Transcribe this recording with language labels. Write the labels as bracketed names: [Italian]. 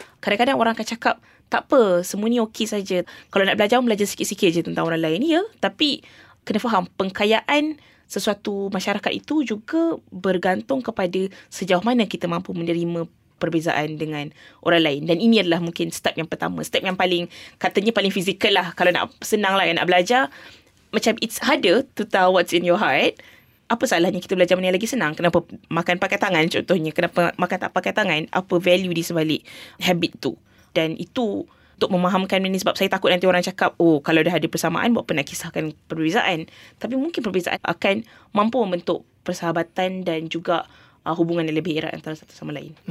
[Malay] Kadang-kadang orang akan cakap, tak apa, semua ni okey saja. Kalau nak belajar, belajar sikit-sikit je tentang orang lain, ya. Tapi kena faham, pengkayaan sesuatu masyarakat itu juga bergantung kepada sejauh mana kita mampu menerima perbezaan dengan orang lain. Dan ini adalah mungkin step yang pertama, step yang paling, katanya paling fizikal lah. Kalau nak senang lah, nak belajar, macam [English] it's harder to tell what's in your heart. [Malay] Apa salahnya kita belajar benda yang lagi senang? Kenapa makan pakai tangan contohnya? Kenapa makan tak pakai tangan? Apa value di sebalik habit tu? Dan itu untuk memahamkan ini, sebab saya takut nanti orang cakap, oh kalau dah ada persamaan, buat apa nak kisahkan perbezaan? Tapi mungkin perbezaan akan mampu membentuk persahabatan dan juga hubungan yang lebih erat antara satu sama lain.